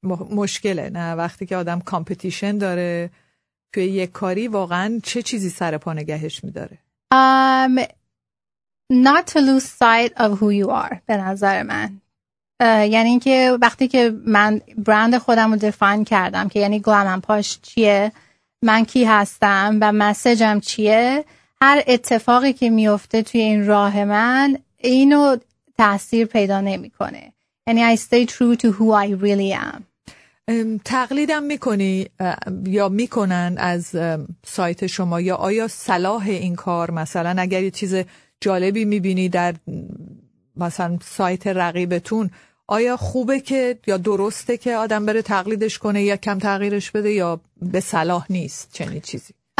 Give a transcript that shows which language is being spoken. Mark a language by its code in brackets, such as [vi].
[fa] مشکله نه، وقتی که آدم کامپیتیشن داره توی یک کاری واقعا چه چیزی سر پا نگهش میداره؟ [en] Not to lose sight of who you are [fa] به نظر من. یعنی اینکه وقتی که من برند خودم رو دیفاین کردم که یعنی glamandposh چیه، من کی هستم و مسیجم چیه، هر اتفاقی که میفته توی این راه من اینو تأثیر پیدا نمی کنه. [en] یعنی I stay true to who I really am. [fa] تقلیدم میکنی یا میکنن از سایت شما یا آیا صلاح این کار مثلا اگر یه چیز جالبی میبینی در مثلا سایت رقیبتون آیا خوبه که یا درسته که آدم بره تقلیدش کنه یا کم تغییرش بده یا به صلاح نیست چنین چیزی؟